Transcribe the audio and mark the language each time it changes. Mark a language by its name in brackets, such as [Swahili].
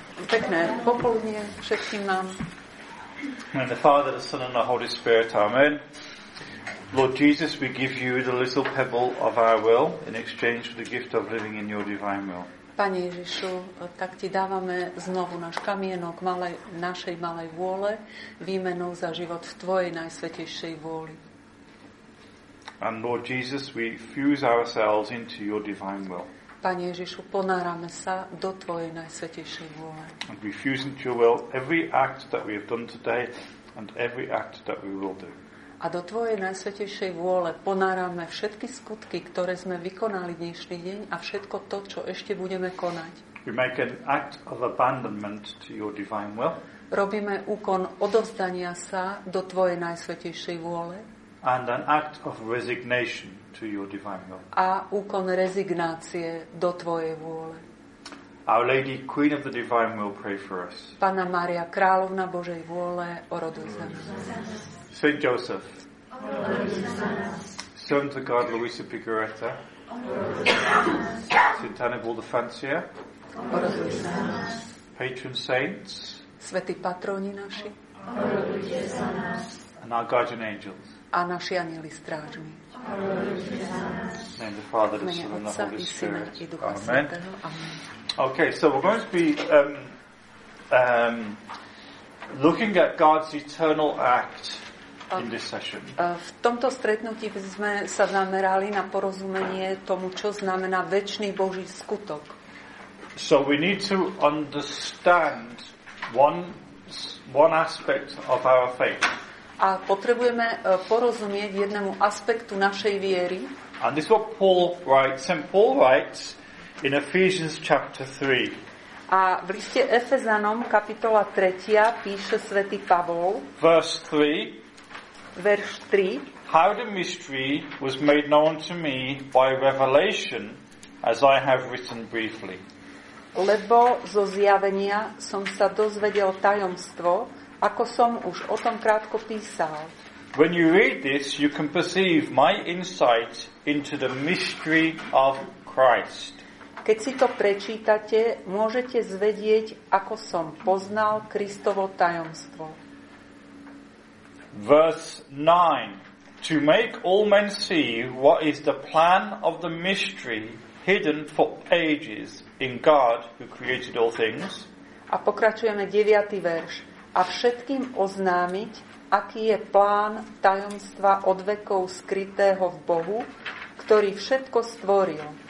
[Slovak] Pekné popoludnie všetkým nám. [English] In the Father, the Son, and the Holy Spirit, amen. Lord Jesus, we give you the little pebble of our will in exchange for the gift of living in your divine will. [Slovak] Pane Ježišu, tak ti dávame znovu náš kamienok našej malej vôle výmenou za život v tvojej najsvetejšej vôli. [English] And Lord Jesus, we fuse ourselves into your divine will. [Slovak] Pane Ježišu, ponárame sa do tvojej najsvetejšej vôle. [English] And we fuse into your will every act that we have done today and every act that we will do. [Slovak] A do tvojej najsvetejšej vôle ponárame všetky skutky, ktoré sme vykonali dnešný deň a všetko to, čo ešte budeme konať. [English] We make an act of abandonment to your divine will. [Slovak] Robíme úkon odovzdania sa do tvojej najsvetejšej vôle. [English] And an act of resignation to your divine will. [Slovak] A úkon rezignácie do tvojej vôle. [English] Our Lady, Queen of the Divine Will, pray for us. [Slovak] Panna Mária, Královna Božej vôle, oroduj za nás. [English] Saint Joseph. [Slovak] Oroduj za nás. [English] Servant of God, Luisa Picaretta. [Slovak] Oroduj za nás. [English] Saint Annibal the Fancier. [Slovak] Oroduj za nás. [English] Patron saints. [Slovak] Svätí patroni naši. Oroduj za nás. [English] And our guardian angels. [Slovak] A naši anjeli strážni. [English] Amen. The Father, the Son, and the Holy Spirit. Amen. Okay, so we're going to be looking at God's eternal act in this session. [Slovak] V tomto stretnutí sme sa zamerali na porozumenie tomu, čo znamená večný Boží skutok. [English] So we need to understand one aspect of our faith. [Slovak] A potrebujeme porozumieť jednému aspektu našej viery. [English] And this is what Paul writes. St. Paul writes in Ephesians chapter 3. [Slovak] A v liste Efezanom kapitola 3 píše svätý Pavol. [English] Verse 3. [Slovak] Verš 3. [English] How the mystery was made known to me by revelation, as I have written briefly. [Slovak] Lebo zo zjavenia som sa dozvedel tajomstvo, ako som už o tom krátko písal. When you read this, you can perceive my insight into the mystery of Christ. Keď si to prečítate, môžete zvedieť, ako som poznal Kristovo tajomstvo. [English] Verse 9. To make all men see what is the plan of the mystery hidden for ages in God who created all things. [Slovak] A pokračujeme 9. verš. A všetkým oznámiť, aký je plán tajomstva od vekov skrytého v Bohu, ktorý všetko stvoril.